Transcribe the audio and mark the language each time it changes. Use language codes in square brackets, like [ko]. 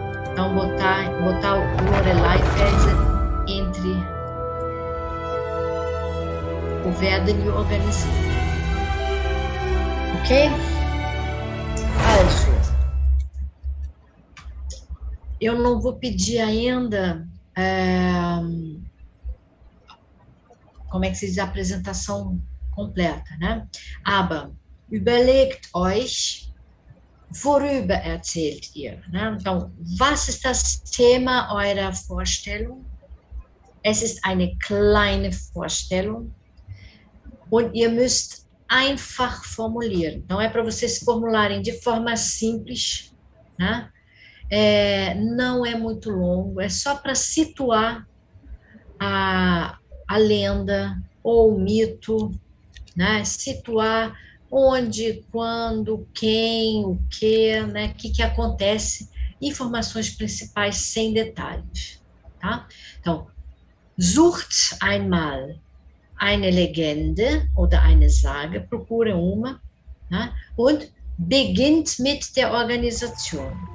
[pt] Então botar o Loreleifelsen entre o werden e o organisieren. Ok? Eu não vou pedir ainda, como é que se diz, a apresentação completa, né? [de] Aber, überlegt euch, worüber erzählt ihr, né? Então, was ist das Thema eurer Vorstellung? Es ist eine kleine Vorstellung. Und ihr müsst einfach formulieren. [pt] Então, é para vocês formularem de forma simples, né? Não é muito longo, é só para situar a lenda ou o mito, né? Situar onde, quando, quem, o quê, né? Que acontece, informações principais sem detalhes, tá? [de] Então, sucht einmal eine Legende oder eine Sage, [pt] procure uma, né? [de] Und beginnt mit der Organisation.